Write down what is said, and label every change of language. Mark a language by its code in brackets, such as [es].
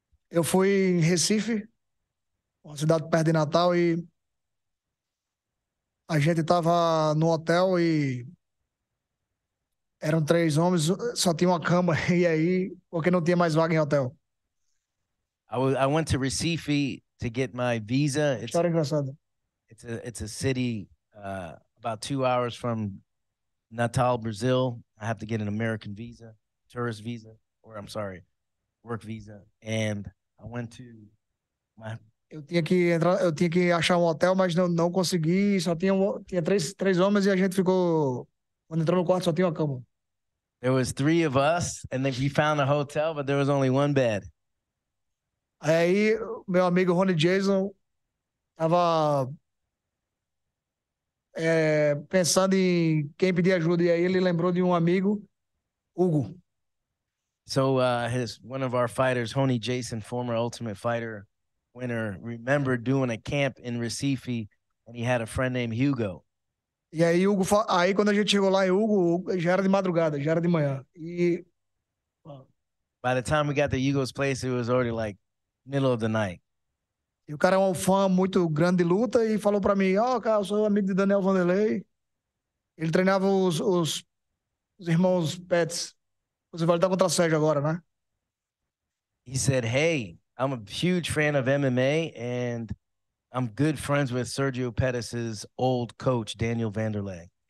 [pt] Eu fui em Recife, uma cidade perto de Natal, e a gente tava no hotel e eram três homens, só tinha uma cama, e aí, porque não tinha mais vaga em hotel. [en] I went to Recife to get my visa. It's [pt] história engraçada. [en] It's a city about 2 hours from Natal, Brazil. I have to get an American visa, tourist visa, or I'm sorry, work visa. And I went to my... [pt] Eu tinha que achar um hotel, mas não consegui. Só tinha três homens e a gente ficou... Quando entrou no quarto, só tinha uma cama. [en] There was three of us, and then we found a hotel, but there was only one bed. [pt] Aí, meu amigo Rony Jason tava... pensando em quem pedir ajuda. E aí ele lembrou de um amigo, Hugo. [en] So one of our fighters, Honey Jason, former Ultimate Fighter winner, remembered doing a camp in Recife, and he had a friend named Hugo. [pt] E aí, Hugo, aí quando a gente chegou lá, Hugo, já era de madrugada, já era de manhã. [en] By the time we got to Hugo's place, it was already like middle of the night. [pt] E o cara é um fã muito grande de luta e falou pra mim, cara, eu sou amigo de Daniel Wanderlei. Ele treinava os irmãos Pettis. Você vai lutar contra o Sérgio agora, né? [en] He said, hey, I'm a huge fan of MMA and I'm good friends with Sergio Pettis' old coach, Daniel Wanderlei.